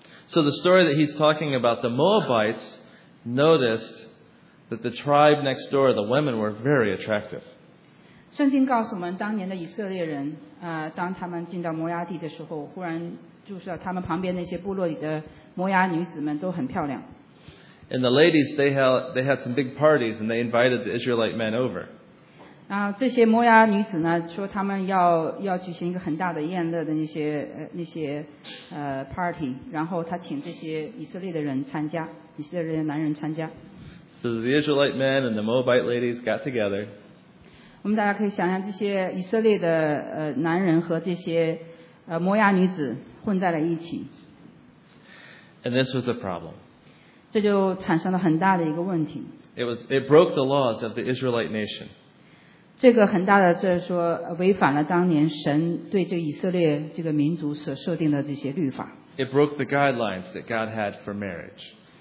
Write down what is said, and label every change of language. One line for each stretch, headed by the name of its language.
English: So the story that he's talking about, the Moabites noticed that the tribe next door, the women, were very attractive.
Chinese: 圣经告诉我们当年的以色列人, 当他们进到摩押地的时候, 忽然注视到他们旁边那些部落里的摩押女子们都很漂亮。
English: And the ladies, they had some big parties and they invited the Israelite men over.
Chinese: 这些摩押女子呢, 说他们要举行一个很大的宴乐的那些, 那些, party, 然后他请这些以色列的人参加, 以色列的男人参加。
English: So the Israelite men and the Moabite ladies got together.
Chinese: 我们大家可以想象这些以色列的, 男人和这些, 摩押女子混在了一起。
English: And this was a problem.
Chinese: 这就产生了很大的一个问题。
English: It broke the laws of the Israelite nation.
Chinese: 这个很大的就是说, 违反了当年神对这个以色列这个民族所设定的这些律法。
English: It broke the guidelines that God had for marriage.